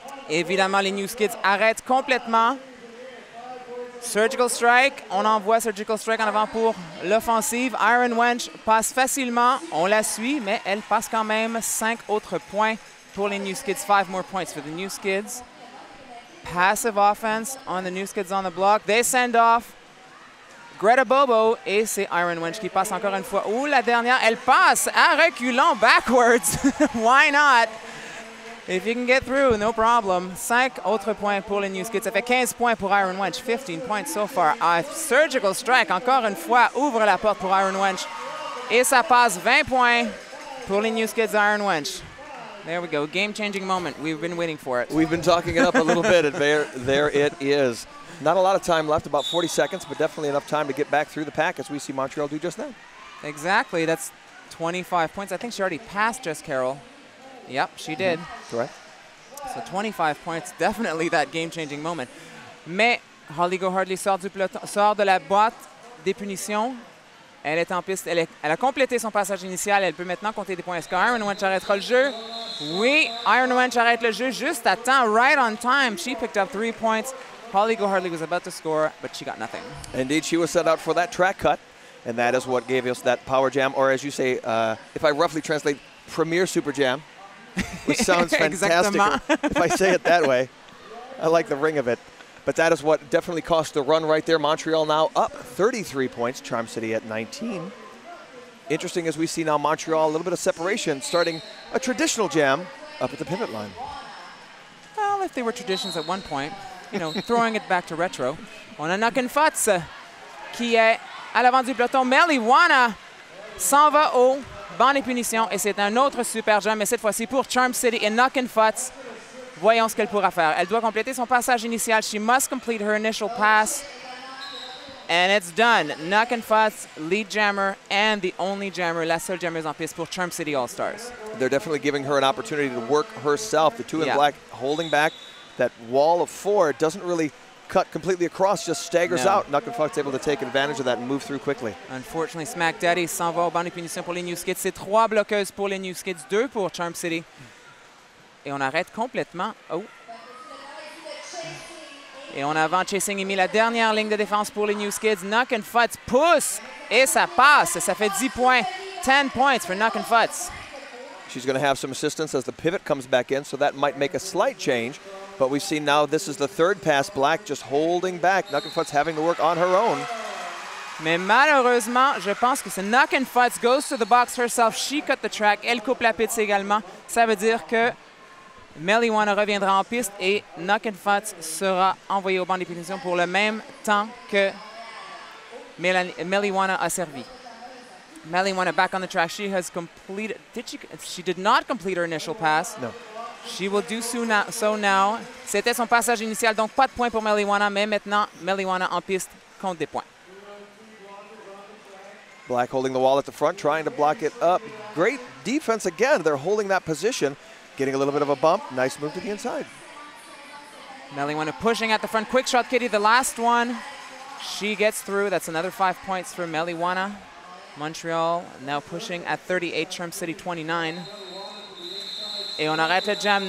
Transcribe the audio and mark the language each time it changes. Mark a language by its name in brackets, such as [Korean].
[French] Évidemment, les New Skids arrêtent complètement. Surgical Strike, on envoie Surgical Strike en avant pour l'offensive. Iron Wench passe facilement, on la suit, mais elle passe quand même 5 autres points. Pour les New Skids, [English] 5 more points for the New Skids. Passive offense on the New Skids on the block. They send off Greta Bobo. [French] Et c'est Iron Wench qui passe encore une fois. Ouh, la dernière, elle passe à reculons [English] backwards. Why not? If you can get through, no problem. [French] 5 autres points pour les New Skids. Ça fait 15 points pour Iron Wench. [English] 15 points so far. [French] Surgical Strike, encore une fois, ouvre la porte pour Iron Wench. Et ça passe 20 points pour les New Skids, Iron Wench. [English] There we go. Game-changing moment. We've been waiting for it. We've been talking it up a little bit, and there it is. Not a lot of time left, about 40 seconds, but definitely enough time to get back through the pack as we see Montreal do just now. Exactly. That's 25 points. I think she already passed Jess Carroll. Yep, she did. Correct. So 25 points, definitely that game-changing moment. [French] Mais Holly Gohardley sort de la boîte des punitions. Elle est en piste. Elle a complété son passage initial. Elle peut maintenant compter des points. Est-ce qu'Iron Wench arrêtera le jeu? Oui, Iron Wench arrête le jeu juste à temps, [English] right on time. She picked up 3 points. Holly Gohardley was about to score, but she got nothing. Indeed, she was set out for that track cut, and that is what gave us that power jam, or as you say, if I roughly translate, premier super jam. which sounds fantastic if I say it that way. I like the ring of it. But that is what definitely cost the run right there. Montreal now up 33 points, Charm City at 19. Interesting as we see now Montreal, a little bit of separation, starting a traditional jam up at the pivot line. Well, if they were traditions at one point, you know, throwing it back to retro. [French] On a knock in face, qui est à l'avant du peloton. Meliwana s'en va au banc des punitions, et c'est un autre super jam, mais cette fois-ci pour Charm City et knock in face. Voyons ce qu'elle pourra faire. Elle doit compléter son passage initial. [English] She must complete her initial pass. And it's done. Knock and Fuss, lead jammer, and the only jammer, [French] la seule jammer en piste pour [English] Charm City All-Stars. They're definitely giving her an opportunity to work herself. The two in black holding back. That wall of four doesn't really cut completely across, just staggers out. Knock and Fuss able to take advantage of that and move through quickly. Unfortunately, [French] Smack Daddy s'en va au banc des punitions pour les New Skids. C'est trois bloqueuses pour les New Skids, deux pour Charm City. Et on arrête complètement. Oh. Et on avance. Chasing Amy, la dernière ligne de défense pour les New Skids. Knock and Futz pousse. Et ça passe. Ça fait 10 points. [English] 10 points for Knock and Futz. She's going to have some assistance as the pivot comes back in. So that might make a slight change. But we see now this is the third pass. Black just holding back. Knock and Futz having to work on her own. [French] Mais malheureusement, je pense que c'est [English] Knock and Futz goes to the box herself. She cut the track. [French] Elle coupe la piste également. Ça veut dire que Meliwana reviendra en piste et Knock and Futz sera envoyé au banc des punitions pour le même temps que Meliwana a servi. [English] Meliwana back on the track. She has completed. She did not complete her initial pass. No. She will do so now. [French] C'était son passage initial, donc pas de points pour Meliwana, mais maintenant Meliwana en piste compte des points. [English] Black holding the wall at the front, trying to block it up. Great defense again. They're holding that position. Getting a little bit of a bump. Nice move to the inside. Meliwana pushing at the front. Quick shot, Kitty, the last one. She gets through. That's another 5 points for Meliwana. Montreal now pushing at 38, Charm City 29. [French] Et on arrête le jam.